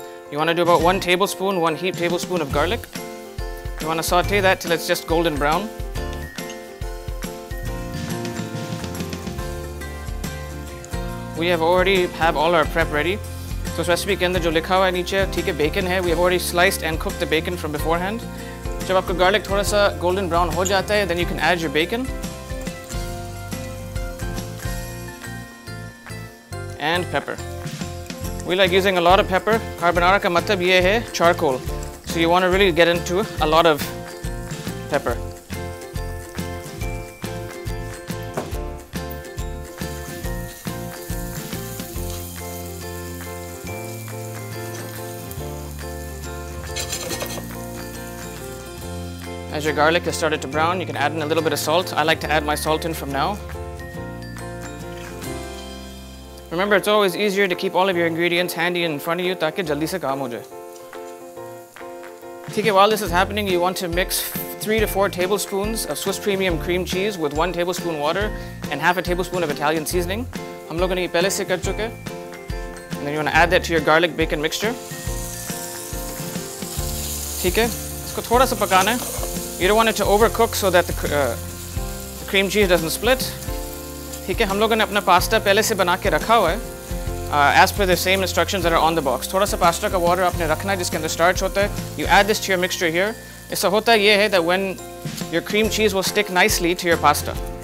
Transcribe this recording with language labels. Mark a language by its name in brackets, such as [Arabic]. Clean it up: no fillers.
[English] You want to do about 1 heaped tablespoon of garlic. You want to saute that till it's just golden brown. We have already have all our prep ready. So this recipe [Hindi] ke andar jo likha hua hai niche, theek hai, [English] bacon hai. We have already sliced and cooked the bacon from beforehand. [Hindi] जब आपका garlic थोड़ा सा golden brown हो जाता है, [English] then you can add your bacon. And pepper. We like using a lot of pepper. [Hindi] Carbonara का मतलब ये है charcoal. [English] So you want to really get into a lot of pepper. As your garlic has started to brown, you can add in a little bit of salt. I like to add my salt in from now. Remember, it's always easier to keep all of your ingredients handy in front of you [Hindi] taki jaldi se kaam ho jaye. Theek hai, [English] while this is happening, you want to mix 3 to 4 tablespoons of Swiss Premium cream cheese with 1 tablespoon water and 1/2 tablespoon of Italian seasoning. [Hindi] Hum logon ne pehle se kar chuke. [English] And then you want to add that to your garlic bacon mixture. [Hindi] Theek hai, isko thoda sa pakana hai. [English] You don't want it to overcook so that the cream cheese doesn't split. [Hindi] ठीक है, हम लोगों ने अपना pasta पहले से बना के रखा हुआ है. [English] As per the same instructions that are on the box. [Hindi] थोड़ा सा पास्ता का वाटर आपने रखना है जिसके अंदर स्टार्च होता है. [English] You add this to your mixture here. [Hindi] इससे होता ये है [English] that when your cream cheese will stick nicely to your pasta.